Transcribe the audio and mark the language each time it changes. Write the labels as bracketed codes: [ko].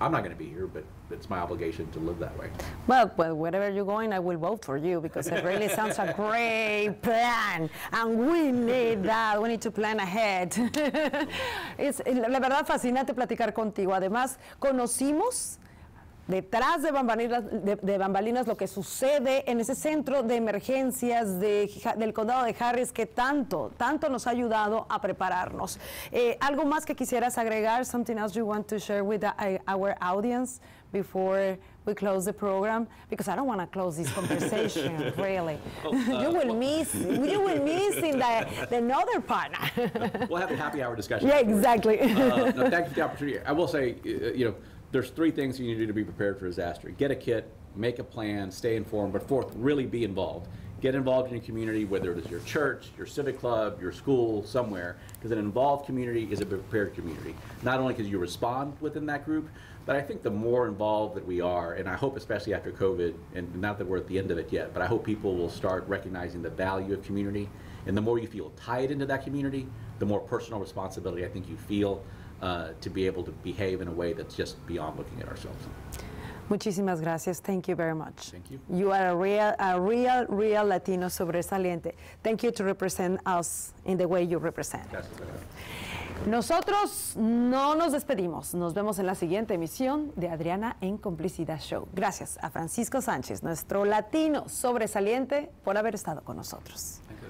[en] I'm not going to be here, but it's my obligation to live that way. Well, wherever you're going, I will vote for you because it really sounds a great plan, and we need that. We need to plan ahead. [es] Es la verdad fascinante platicar contigo. Además, conocimos detrás de bambalinas lo que sucede en ese centro de emergencias del condado de Harris que tanto nos ha ayudado a prepararnos. ¿Algo más que quisieras agregar? [en] Something else you want to share with our audience before we close the program? Because I don't want to close this conversation, really. You will miss in the other part. We'll have a happy hour discussion. Yeah, exactly. No, thank you for the opportunity. I will say, there's three things you need to do to be prepared for disaster. Get a kit, make a plan, stay informed, but fourth, really be involved. Get involved in your community, whether it is your church, your civic club, your school, somewhere, because an involved community is a prepared community. Not only because you respond within that group, but I think the more involved that we are, and I hope especially after COVID, and not that we're at the end of it yet, but I hope people will start recognizing the value of community. And the more you feel tied into that community, the more personal responsibility I think you feel to be able to behave in a way that's just beyond looking at ourselves. [es] Muchísimas gracias. [en] Thank you very much. Thank you. You are a real Latino [es] sobresaliente. [en] Thank you to represent us in the way you represent. [es] Gracias. Nosotros no nos despedimos. Nos vemos en la siguiente emisión de Adriana en Complicidad Show. Gracias a Francisco Sánchez, nuestro Latino sobresaliente, por haber estado con nosotros.